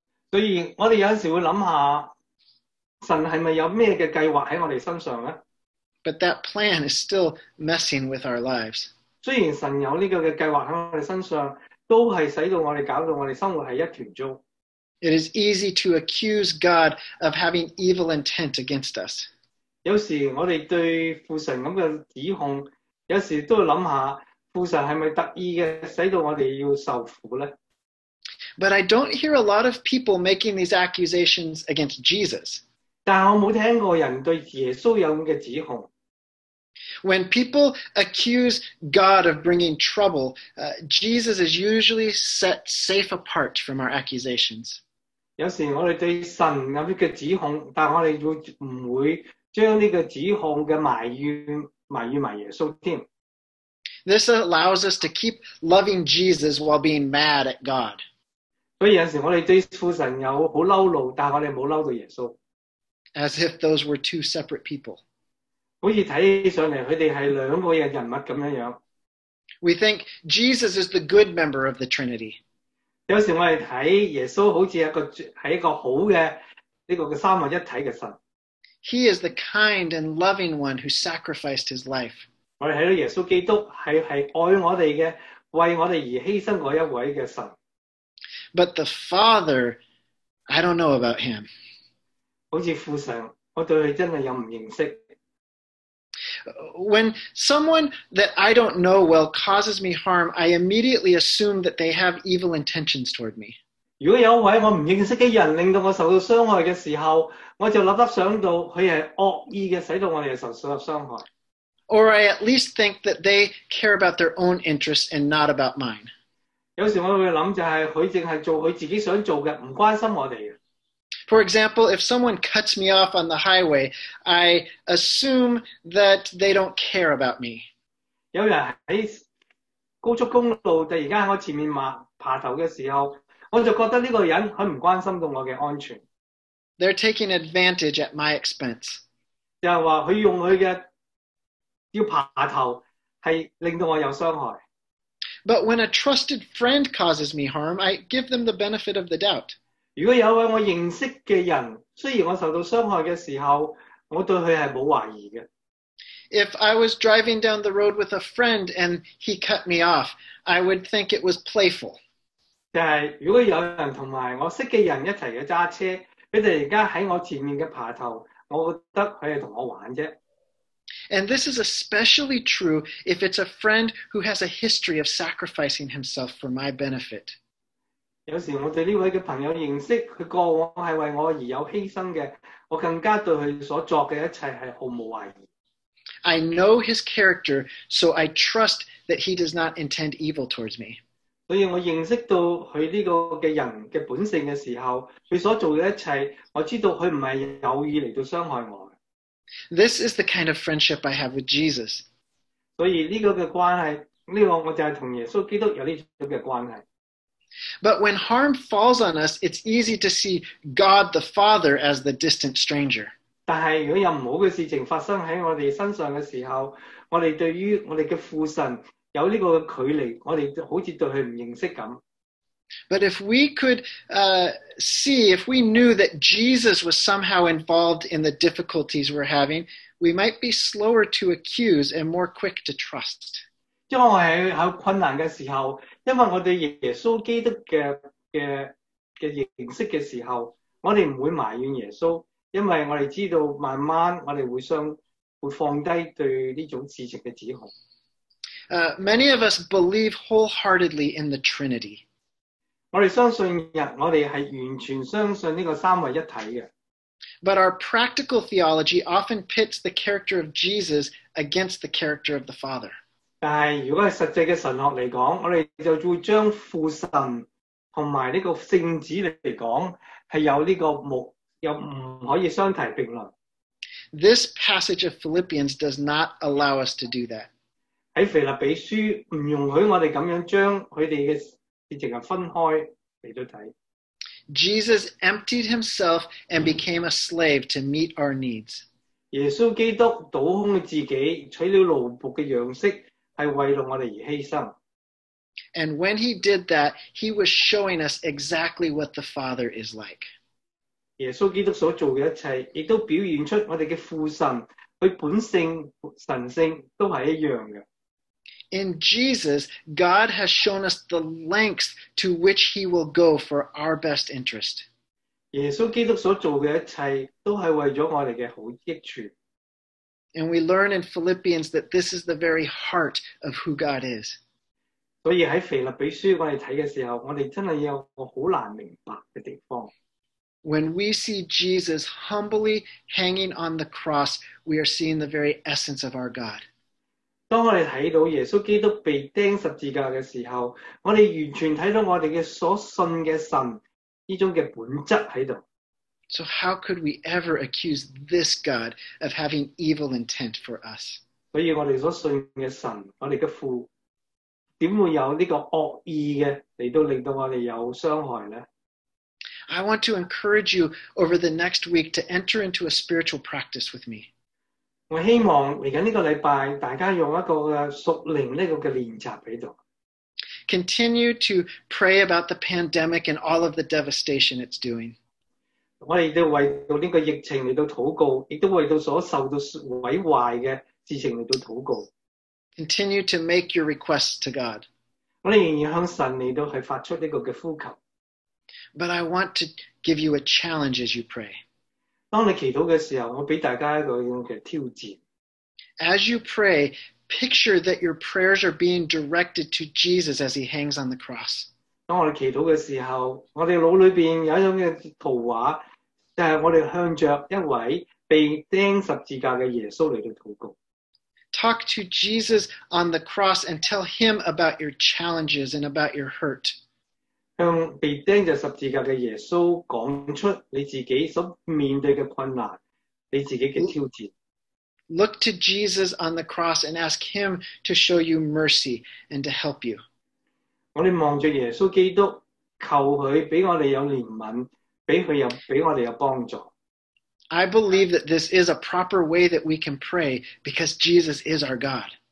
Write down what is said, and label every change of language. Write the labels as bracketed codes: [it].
[yue] 所以我们有时会想下神是不是有什么计划在我们身上呢? [en] But that plan is still messing with our lives. [yue] 虽然神有这个计划在我们身上都是使得我们搞到我们生活是一团糟。 [en] It is easy to accuse God of having evil intent against us. [yue] 有时我们对父神这样的指控有时都会想下父神是不是特意的使得我们要受苦呢? [en] But I don't hear a lot of people making these accusations against Jesus. [yue] 但我没听过人对耶稣有这样的指控。 [en] When people accuse God of bringing trouble, Jesus is usually set safe apart from our accusations. [yue] 有时我们对神有这个指控，但我们不会将这个指控的埋怨埋耶稣。 [en] This allows us to keep loving Jesus while being mad at God. [yue] 所以有时我们对父神有很嬲怒，但我们没嬲到耶稣。 [en] As if those were two separate people. [yue] 好似睇上嚟，佢哋系两个人物咁样样。 [en] We think Jesus is the good member of the Trinity. [yue] 有时我哋睇耶稣好似一个好嘅呢个三位一体嘅神。 [en] He is the kind and loving one who sacrificed his life. [yue] 我哋睇到耶稣基督系爱我哋嘅，为我哋而牺牲嗰一位嘅神。 [en] But the Father, I don't know about him. [yue] 好像父神，我对他真的有不认识。 [en] When someone that I don't know well causes me harm, I immediately assume that they have evil intentions toward me. [yue] 如果有一位我不认识的人令到我受到伤害的时候，我就立即想到他是恶意的，使到我们受到伤害。 [en] Or I at least think that they care about their own interests and not about mine. [yue] 有时我会想就是他只是做他自己想做的，不关心我们。 [en] For example, if someone cuts me off on the highway, I assume that they don't care about me. [yue] 有人在高速公路突然间在我前面爬头的时候，我就觉得这个人他不关心到我的安全。 [en] They're taking advantage at my expense. [yue] 就是说他用他的要爬头是令到我有伤害。 [en] But when a trusted friend causes me harm, I give them the benefit of the doubt. [yue] 如果有位我认识的人，虽然我受到伤害的时候，我对他是没怀疑的。 [en] If I was driving down the road with a friend and he cut me off, I would think it was playful. [yue] 就是如果有人同埋我识的人一起去揸车，他突然间在我前面的爬头，我觉得他是同我玩啫。 [en] And this is especially true if it's a friend who has a history of sacrificing himself for my benefit. [yue] 有时我对这位的朋友认识，他过往是为我而有牺牲的，我更加对他所做的一切是毫无怀疑。 [en] I know his character, so I trust that he does not intend evil towards me. [yue] 所以我认识到他这个的人的本性的时候，他所做的一切，我知道他不是有意来伤害我。 [en] This is the kind of friendship I have with Jesus. [yue] 所以这个的关系，这个我就是跟耶稣基督有这种的关系。 [en] But when harm falls on us, it's easy to see God the Father as the distant stranger. [yue] 但是如果有不好的事情发生在我们身上的时候，我们对于我们的父神有这个距离，我们好像对他不认识一样。 [en] But if we could see, if we knew that Jesus was somehow involved in the difficulties we're having, we might be slower to accuse and more quick to trust. [yue] 因为我在困难的时候，因为我们耶稣基督 的形式的时候，我们不会埋怨耶稣，因为我们知道慢慢我们 会放低对这种事情的指控。 [en] Many of us believe wholeheartedly in the Trinity. [yue] 我们相信人，我们是完全相信这个三位一体的。 [en] But our practical theology often pits the character of Jesus against the character of the Father. [yue] 但是如果是实际的神学来讲，我们就会将父神和这个圣子来讲，是有这个目，有不可以相提并论。 [en] This passage of Philippians does not allow us to do that. [yue] 在腓立比书不容许我们这样将他们的事情分开来看。 [en] Jesus emptied himself and became a slave to meet our needs. [yue] 耶稣基督倒空了自己，取了奴仆的样式，是为了我们而牺牲。 [en] And when he did that, he was showing us exactly what the Father is like. [yue] 耶稣基督所做的一切，也都表现出我们的父神，他本性、神性都是一样的。 [en] In Jesus, God has shown us the lengths to which he will go for our best interest. [yue] 耶稣基督所做的一切都是为了我们的好益处。 [en] And we learn in Philippians that this is the very heart of who God is. [yue] 所以在腓立比书我们看的时候，我们真的有个很难明白的地方。 [en] When we see Jesus humbly hanging on the cross, we are seeing the very essence of our God. [yue] 当我们看到耶稣基督被钉十字架的时候，我们完全看到我们的所信的神这种的本质在这里。 [en] So how could we ever accuse this God of having evil intent for us? [yue] 所以我们所信的神，我们的父，怎会有这个恶意的来到令到我们有伤害呢？ [en] I want to encourage you over the next week to enter into a spiritual practice with me. [yue] 我希望未来这个礼拜大家用一个属灵这个练习在这里。 [en] Continue to pray about the pandemic and all of the devastation it's doing. [yue] 我们都为到这个疫情来到祷告，也都为到所受到毁坏的事情来到祷告。 [en] Continue to make your requests to God. [yue] 我们仍然向神来到去发出这个呼求。 [en] But I want to give you a challenge as you pray. [yue] 当你祈祷的时候，我给大家一个这样的挑战。 [en] As you pray, picture that your prayers are being directed to Jesus as he hangs on the cross. [yue] 当我们祈祷的时候，我们脑里面有一种的图画，就是我们向着一位被钉十字架的耶稣来祷告。 [en] Talk to Jesus on the cross and tell him about your challenges and about your hurt. [yue] 向被钉着十字架的耶稣讲出你自己所面对的困难，你自己的挑战。 [en] Look to Jesus on the cross and ask him to show you mercy and to help you. [yue] 我们望着耶稣基督，求他给我们有怜悯，给我们有帮助。 [en] I believe that this is a proper way that we can pray because Jesus is our God.